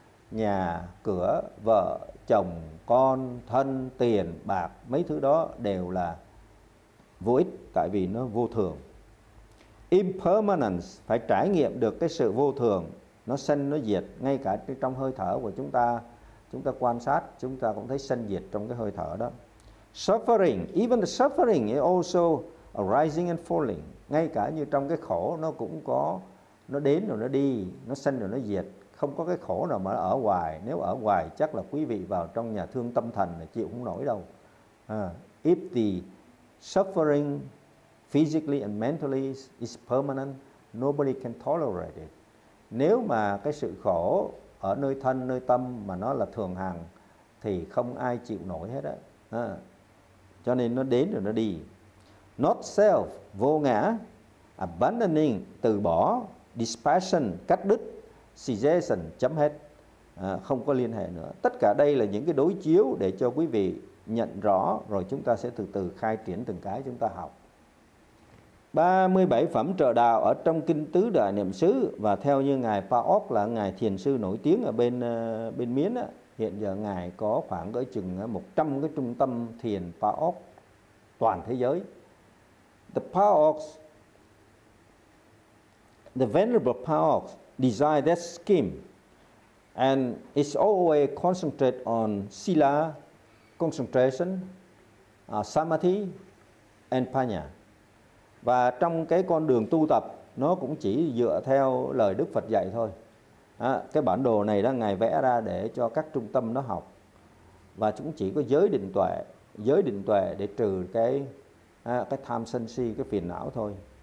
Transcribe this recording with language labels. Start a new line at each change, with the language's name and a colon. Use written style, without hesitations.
Vietnamese: Nhà, cửa, vợ, chồng, con, thân, tiền, bạc, mấy thứ đó đều là vô ích, tại vì nó vô thường. Impermanence, phải trải nghiệm được cái sự vô thường, nó sanh, nó diệt, ngay cả trong hơi thở của chúng ta quan sát, chúng ta cũng thấy sanh diệt trong cái hơi thở đó.
English: Suffering, even the suffering is also arising and falling.
Vietnamese: Ngay cả như trong cái khổ nó cũng có, nó đến rồi nó đi, nó sanh rồi nó diệt. Không có cái khổ nào mà ở hoài. Nếu ở hoài chắc là quý vị vào trong nhà thương tâm thần là chịu không nổi đâu.
English: If the suffering physically and mentally is permanent, nobody can tolerate it.
Vietnamese: Nếu mà cái sự khổ ở nơi thân, nơi tâm mà nó là thường hằng thì không ai chịu nổi hết á. Cho nên nó đến rồi nó đi. Not self, vô ngã. Abandoning, từ bỏ. Dispassion, cắt đứt. Cessation, chấm hết. Không có liên hệ nữa. Tất cả đây là những cái đối chiếu để cho quý vị nhận rõ, rồi chúng ta sẽ từ từ khai triển từng cái chúng ta học. 37 phẩm trợ đạo ở trong kinh Tứ Đại Niệm Xứ, và theo như ngài Paok là ngài thiền sư nổi tiếng ở bên Miến á, hiện giờ ngài có khoảng cỡ chừng 100 cái trung tâm thiền Paok toàn thế giới.
English: The Paok, the venerable Paok designed that scheme and it's always concentrated on sila, concentration, samadhi and panya.
Vietnamese: Và trong cái con đường tu tập nó cũng chỉ dựa theo lời Đức Phật dạy thôi. Cái bản đồ này đó ngài vẽ ra để cho các trung tâm nó học. Và chúng chỉ có giới định tuệ để trừ cái tham sân si, cái phiền não thôi.